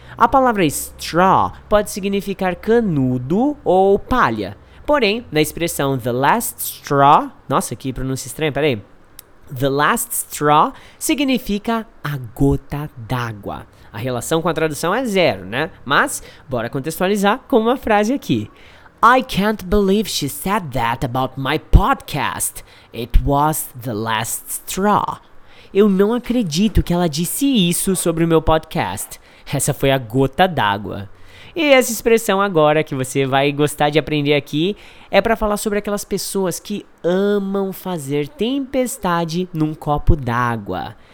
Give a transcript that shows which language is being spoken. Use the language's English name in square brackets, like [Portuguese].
[Portuguese] A palavra straw pode significar canudo ou palha. Porém, na expressão [English] the last straw, [Portuguese] nossa, que pronúncia estranha, peraí. [English] The last straw [Portuguese] significa a gota d'água. A relação com a tradução é zero, né? Mas, bora contextualizar com uma frase aqui. [English] I can't believe she said that about my podcast. It was the last straw. [Portuguese] Eu não acredito que ela disse isso sobre o meu podcast. Essa foi a gota d'água. E essa expressão agora que você vai gostar de aprender aqui é pra falar sobre aquelas pessoas que amam fazer tempestade num copo d'água.